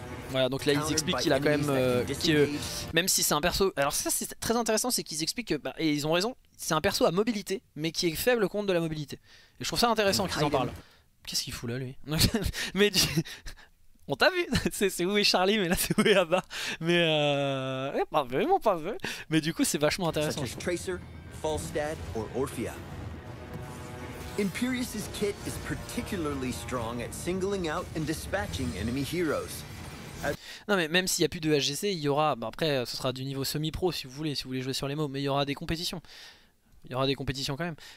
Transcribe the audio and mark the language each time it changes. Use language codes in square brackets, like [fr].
[fr] Voilà, donc là ils expliquent qu'il a quand même même si c'est un perso, alors ça c'est très intéressant, c'est qu'ils expliquent que, bah, et ils ont raison, c'est un perso à mobilité mais qui est faible contre de la mobilité, et je trouve ça intéressant qu'ils en parlent. Qu'est-ce qu'il fout là lui? Mais on t'a vu, c'est où est Charlie, mais là c'est où est Abba, mais pas vraiment, pas vrai. Mais du coup c'est vachement intéressant. Tracer, Falstad ou Orphea. [en] Imperius's kit is particularly strong at singling out and dispatching enemy heroes. [fr] Non mais même s'il n'y a plus de HGC, il y aura, bah après ce sera du niveau semi-pro si vous voulez jouer sur les mots, mais il y aura des compétitions. Il y aura des compétitions quand même.